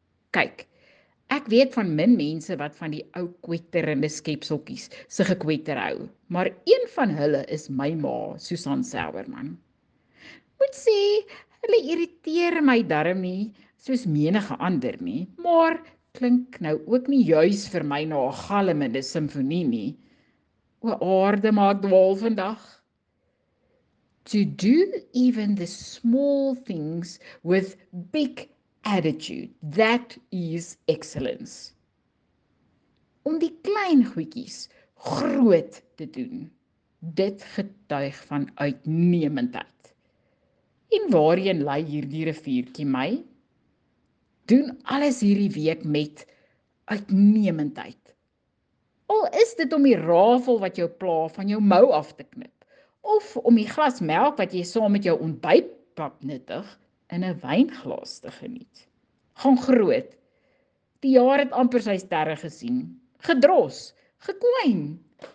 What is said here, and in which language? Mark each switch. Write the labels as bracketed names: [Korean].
[Afrikaans] Kyk, ek weet van min mense wat van die ou kwetterende skepseltjies se gekwetter hou, maar een van hulle is my ma, Susan Sauerman. Moet sê, hulle irriteer my darm nie, soos menige ander nie, maar klink nou ook nie juis vir my na 'n galmende simfonie nie. O aarde maak dwaal vandag. [English] To do even the small things with big attitude, that is excellence. [Afrikaans] Om die klein goedjies groot te doen, dit getuig van uitnemendheid. En waarheen lei hierdie riviertjie my? Doen alles hierdie week met uitnemendheid. Al is dit om die rafel wat jou pla van jou mou af te knip, of om die glas melk wat jy saam met jou ontbytpap nuttig, in 'n wynglas te geniet. Gaan groot. Die jaar het amper sy sterre gesien. Gedros, gekwyn.